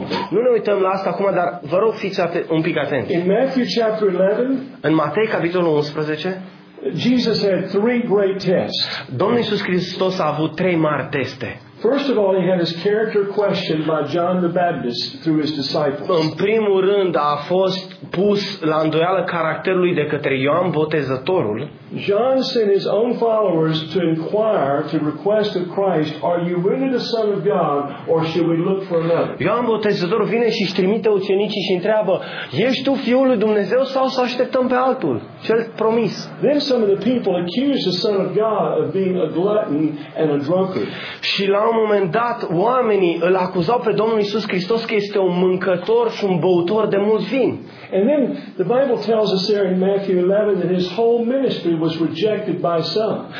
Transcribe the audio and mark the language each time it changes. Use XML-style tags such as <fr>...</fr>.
<ro>Nu ne uităm la asta acum, dar vă rog fiți un pic atenți.</ro> <en>In Matthew chapter 11,</en> <ro>în Matei capitolul 11,</ro> <en>Jesus had three great tests.</en> <ro>Domnul Iisus Hristos a avut trei mari teste.</ro> <en>First of all, he had his character questioned by John the Baptist through his disciples.</en> <ro>În primul rând a fost pus la îndoială caracterul lui de către Ioan Botezătorul.</ro> <en>John sent his own followers to inquire, to request of Christ, are you really the Son of God or should we look for another?</en> <ro>Ioan Botezătorul vine și își trimite ucenicii și întreabă, ești tu Fiul lui Dumnezeu sau să așteptăm pe altul, cel promis?</ro> <en>Then some of the people accused the Son of God of being a glutton and a drunkard.</en> <ro>Și la un moment dat, oamenii îl acuzau pe Domnul Iisus Hristos că este un mâncător și un băutor de mult vin.</ro> <en>And then the Bible tells us there in Matthew 11 that his whole ministry was rejected by some.</en>